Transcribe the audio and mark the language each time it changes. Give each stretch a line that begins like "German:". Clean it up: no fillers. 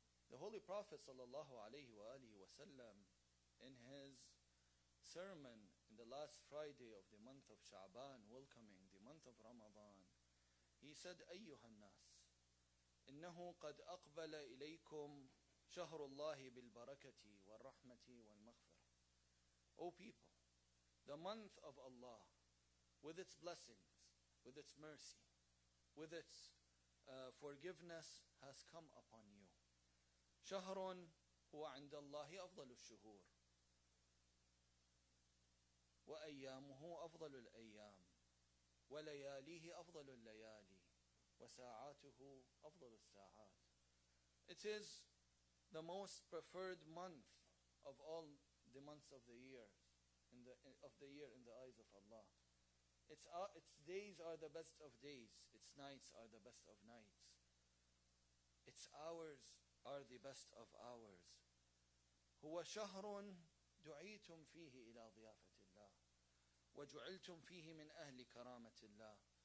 English: The Holy Prophet sallallahu alayhi wa alihi wa sallam, in his sermon in the last Friday of the month of Sha'ban, welcoming the month of Ramadan, he said,
Arabic: أيها الناس إنه قد أقبل إليكم شهر الله بالبركة والرحمة والمغفرة.
English: O people, the month of Allah, with its blessings, with its mercy, with its forgiveness, has come upon you.
Arabic: شهر هو عند الله أفضل الشهور وأيامه أفضل الأيام ولياليه أفضل الليالي وَسَاعَاتُهُ أَفْضَلُ السَّاعَاتِ.
English: It is the most preferred month of all the months of the year, in the eyes of Allah. Its days are the best of days. Its nights are the best of nights. Its hours are the best of hours.
Arabic: هُوَ شَهْرٌ دُعِيتُمْ فِيهِ إِلَى ضِيَافَةِ اللَّهِ وَجُعِلْتُمْ فِيهِ مِنْ أَهْلِ كَرَامَةِ اللَّهِ.